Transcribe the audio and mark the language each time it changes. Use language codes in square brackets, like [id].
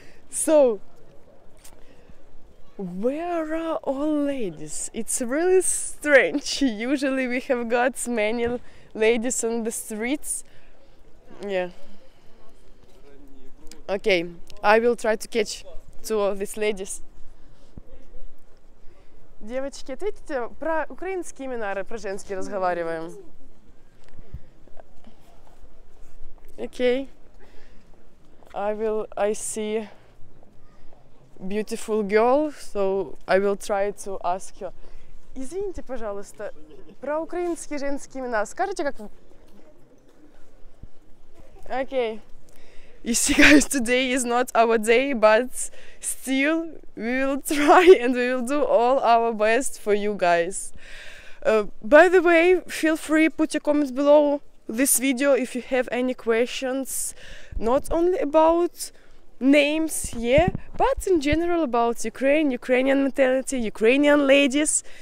[en] So, where are all ladies? It's really strange. Usually we have got many ladies on the streets. Yeah. Okay, I will try to catch two of these ladies. [ru] Девочки, ответьте про украинские имена, про женские разговариваем. [en] Okay. I see beautiful girl, so I will try to ask her. [ru] Извините, пожалуйста, про украинские женские имена. Скажите, как... [en] Okay. You see, guys, today is not our day, but still we will try and we will do all our best for you guys. By the way, feel free, put your comments below this video if you have any questions, not only about names, yeah, but in general about Ukraine, Ukrainian mentality, Ukrainian ladies.